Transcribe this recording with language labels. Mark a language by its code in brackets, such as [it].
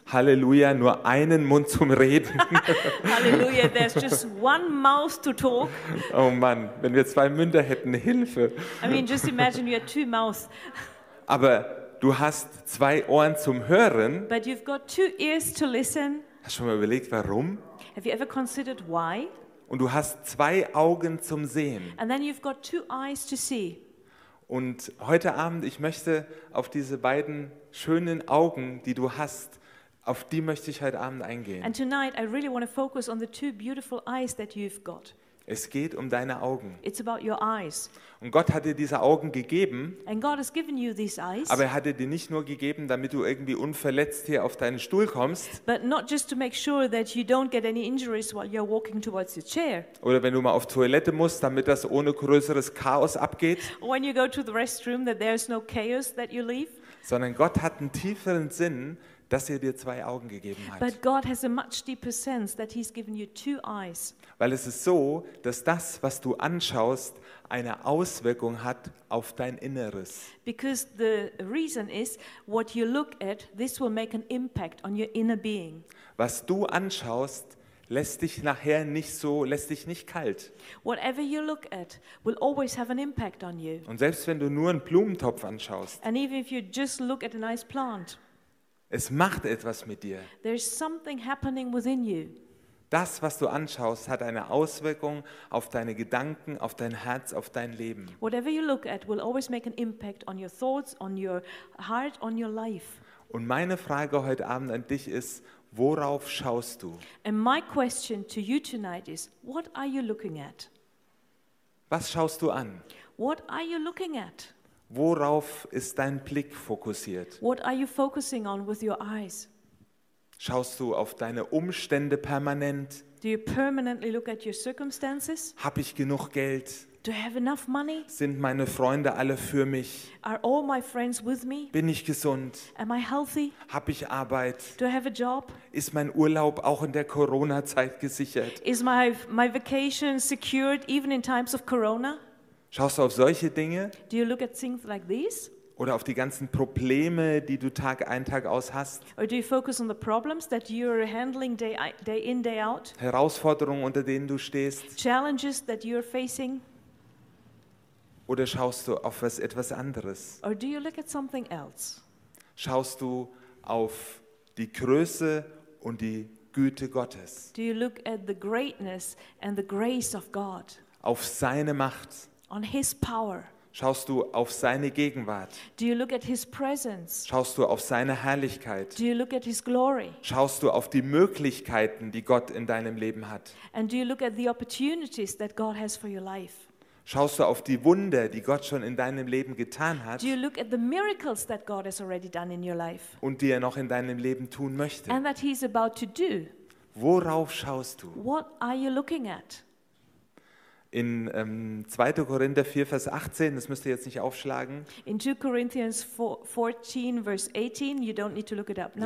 [de] Halleluja, nur einen Mund zum Reden. [en] Halleluja, there's just one mouth to talk. [de] Oh Mann, wenn wir zwei Münder hätten, Hilfe. [en] I mean, just imagine you had two mouths. [de] Aber du hast zwei Ohren zum Hören. [en] But you've got two ears to listen. [de] Hast du schon mal überlegt, warum? [en] Have you ever considered why? [de] Und du hast zwei Augen zum Sehen. [en] And then you've got two eyes to see. [de] Und heute Abend, ich möchte auf diese beiden schönen Augen, die du hast, auf die möchte ich heute Abend eingehen. [en] And tonight I really want to focus on the two beautiful eyes that you've got. [de] Es geht um deine Augen. [en] It's about your eyes. [de] Und Gott hat dir diese Augen gegeben. [en] And God has given you these eyes. [de] Aber er hat dir die nicht nur gegeben, damit du irgendwie unverletzt hier auf deinen Stuhl kommst. [en] But not just to make sure that you don't get any injuries while you're walking towards your chair. [de] Oder wenn du mal auf Toilette musst, damit das ohne größeres Chaos abgeht. [en] Or when you go to the restroom, that there's no chaos that you leave. [de] Sondern Gott hat einen tieferen Sinn, dass er dir zwei Augen gegeben hat. [en] But God has a much deeper sense that he's given you two eyes. [de] Weil es ist so, dass das, was du anschaust, eine Auswirkung hat auf dein Inneres. [en] Because the reason is, what you look at, this will make an impact on your inner being. [de] Was du anschaust, lässt dich nachher nicht so, lässt dich nicht kalt. [en] Whatever you look at will always have an impact on you. [de] Und selbst wenn du nur einen Blumentopf anschaust. [en] And even if you just look at a nice plant. [de] Es macht etwas mit dir. [en] There's something happening within you. [de] Das, was du anschaust, hat eine Auswirkung auf deine Gedanken, auf dein Herz, auf dein Leben. [en] Whatever you look at will always make an impact on your thoughts, on your heart, on your life. [de] Und meine Frage heute Abend an dich ist, worauf schaust du? [en] And my question to you tonight is, what are you looking at? [de] Was schaust du an? [en] What are you looking at? [de] Worauf ist dein Blick fokussiert? [en] What are you focusing on with your eyes? [de] Schaust du auf deine Umstände permanent? [en] Do you permanently look at your circumstances? [de] Hab ich genug Geld? [en] Do I have enough money? [de] Sind meine Freunde alle für mich? [en] Are all my friends with me? [de] Bin ich gesund? [en] Am I healthy? [de] Hab ich Arbeit? [en] Do I have a job? [de] Ist mein Urlaub auch in der Corona-Zeit gesichert? [en] Is my vacation secured even in times of Corona? [de] Schaust du auf solche Dinge? [en] Do you look at things like these? [de] Oder auf die ganzen Probleme, die du Tag ein, Tag aus hast? [en] Or do you focus on the problems that you're handling day in, day out? [de] Herausforderungen, unter denen du stehst? [en] Challenges that you're facing? [de] Oder schaust du auf etwas anderes? [en] Or do you look at something else? [de] Schaust du auf die Größe und die Güte Gottes? [en] Do you look at the greatness and the grace of God? [de] Auf seine Macht? [en] On his power? [de] Schaust du auf seine Gegenwart? [en] Do you look at his presence? [de] Schaust du auf seine Herrlichkeit? [en] Do you look at his glory? [de] Schaust du auf die Möglichkeiten, die Gott in deinem Leben hat? [en] And do you look at the opportunities that God has for your life? [de] Schaust du auf die Wunder, die Gott schon in deinem Leben getan hat? [en] Do you look at the miracles that God has already done in your life? [de] Und die er noch in deinem Leben tun möchte? [en] And that he's about to do. [de] Worauf schaust du? [en] What are you looking at? [de] In 2. Korinther 4, Vers 18, das müsst ihr jetzt nicht aufschlagen. [en] In 2 Corinthians 14, Vers 18, you don't need to look it up now.